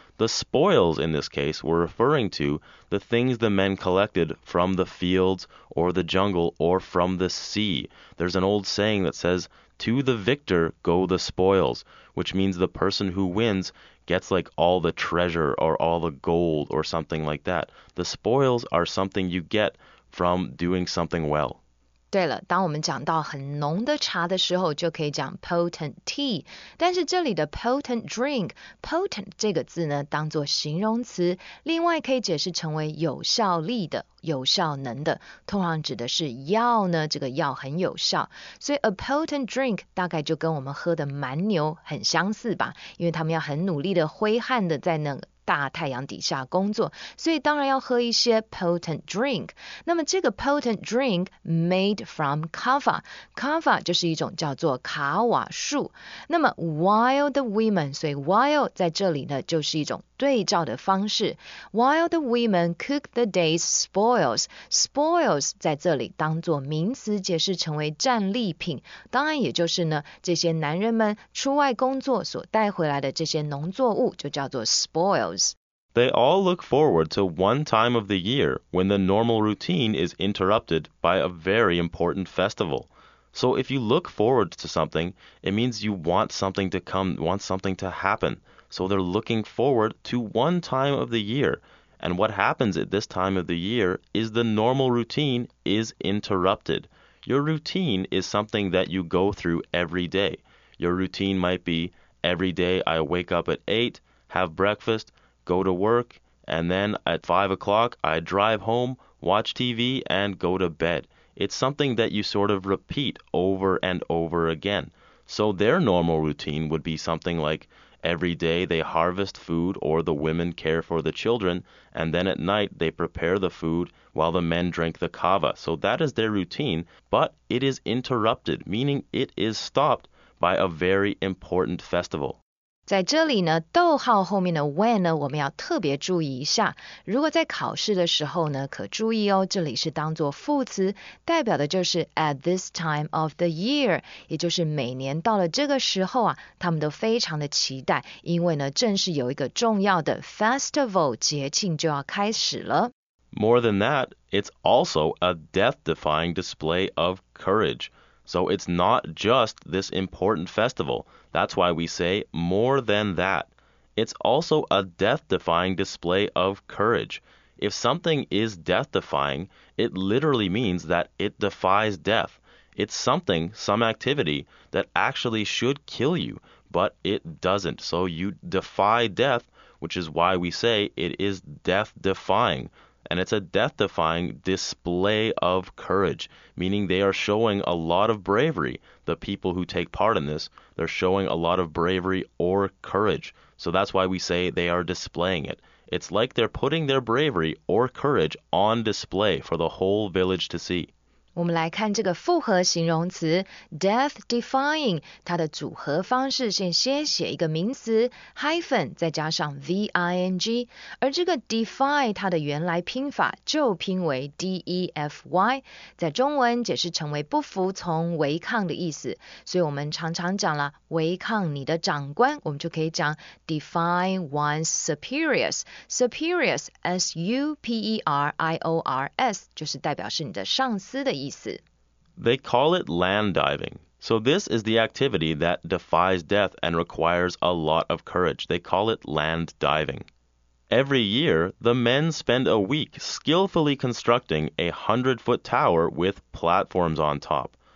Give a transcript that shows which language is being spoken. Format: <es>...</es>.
<en>The spoils, in this case, we're referring to the things the men collected from the fields or the jungle or from the sea. There's an old saying that says, to the victor go the spoils, which means the person who winsGets like all the treasure or all the gold or something like that. The spoils are something you get from doing something well.</en> <zh>对了，当我们讲到很浓的茶的时候，就可以讲</zh> <en>potent tea.</en> <zh>但是这里的</zh> <en>potent drink,</en> <zh>potent 这个字呢，当作形容词，另外可以解释成为有效力的。有效能的，通常指的是药呢，这个药很有效，所以</zh> <en>a potent drink</en> <zh>大概就跟我们喝的蛮牛很相似吧，因为他们要很努力的挥汗的在那大太阳底下工作，所以当然要喝一些</zh> <en>potent drink。</en> <zh>那么这个</zh> <en>potent drink made from kava，</en> <zh>kava 就是一种叫做卡瓦树。那么</zh> <en>while the women，</en> <zh>所以 while 在这里呢就是一种对照的方式。</zh> <en>While the women cook the day's spoils，</en> <zh>spoils 在这里当作名词解释成为战利品，当然也就是呢这些男人们出外工作所带回来的这些农作物就叫做 spoils。</zh> <en>They all look forward to one time of the year when the normal routine is interrupted by a very important festival. So if you look forward to something, it means you want something to come, want something to happenSo they're looking forward to one time of the year. And what happens at this time of the year is the normal routine is interrupted. Your routine is something that you go through every day. Your routine might be every day I wake up at 8, have breakfast, go to work, and then at 5 o'clock I drive home, watch TV, and go to bed. It's something that you sort of repeat over and over again. So their normal routine would be something likeEvery day they harvest food or the women care for the children, and then at night they prepare the food while the men drink the kava. So that is their routine, but it is interrupted, meaning it is stopped by a very important festival.</en> <zh>在这里呢，逗号后面的 when 呢，我们要特别注意一下。如果在考试的时候呢，可注意哦，这里是当作副词，代表的就是</zh> <en>at this time of the year，</en> <zh>也就是每年到了这个时候啊，他们都非常的期待，因为呢，正是有一个重要的 festival 节庆就要开始了。</zh> <en>More than that, it's also a death-defying display of courage. So it's not just this important festival. That's why we say more than that. It's also a death-defying display of courage. If something is death-defying, it literally means that it defies death. It's something, some activity, that actually should kill you, but it doesn't. So you defy death, which is why we say it is death-defying. And it's a death-defying display of courage, meaning they are showing a lot of bravery. The people who take part in this, they're showing a lot of bravery or courage. So that's why we say they are displaying it. It's like they're putting their bravery or courage on display for the whole village to see.</en> <zh>我们来看这个复合形容词 death-defying， 它的组合方式先先写一个名词 hyphen， 再加上 v-i-n-g， 而这个 defy 它的原来拼法就拼为 d-e-f-y， 在中文解释成为不服从、违抗的意思。所以我们常常讲了违抗你的长官，我们就可以讲</zh> <en>defy one's superiors，</en> <zh>superiors s-u-p-e-r-i-o-r-s 就是代表是你的上司的。</zh> <en>They call it land diving. So this is the activity that defies death and requires a lot of courage. They call it land diving. Every year, the men spend a week skillfully constructing a 100-foot tower with platforms on top.</en>